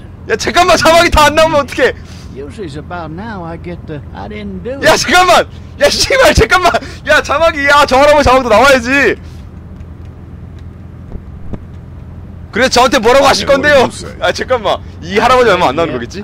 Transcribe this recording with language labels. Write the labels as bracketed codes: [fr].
[ko] 야 잠깐만 자막이 다안 나오면 어떡해. [en] Usually it's about now I get the I didn't do it. [ko] 야 잠깐만! 야 씨발 잠깐만! 야 자막이 야 저 할아버지 자막도 나와야지. 그래서 저한테 뭐라고 하실 건데요? 아 잠깐만 이 할아버지 얼마 안 나오는 거겠지?